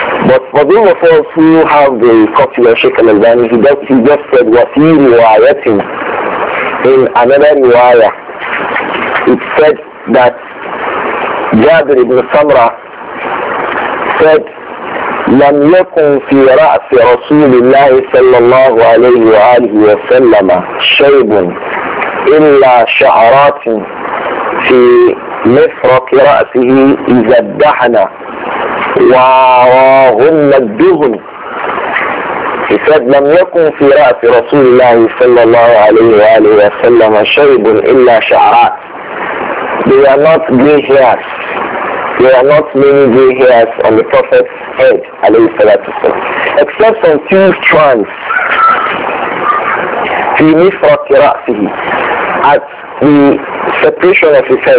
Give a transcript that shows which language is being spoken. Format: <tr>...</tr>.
<en>But for those of us who have the copy of Sheikh al-Albani, he just said wafi riwayatin. In another riwayah, it said that Jabir ibn Samra said,</en> <ar>لم يكن في رأس رسول الله صلى الله عليه وآله وسلم شيب إلا شعرات في مفرق رأسه إذا ادحن وراهن الدهن.</ar> <en>He said,</en> <ar>لم يكن في رأس رسول الله صلى الله عليه وآله وسلم شيب إلا شعرات.</ar> <en>They are not gray hairs. There are not many gray hairs on the Prophet's head, alayhi salatu wasalam, except some few strands.</en> <ar>في مفرق رأسه,</ar> <en>at the separation of his hair.</en>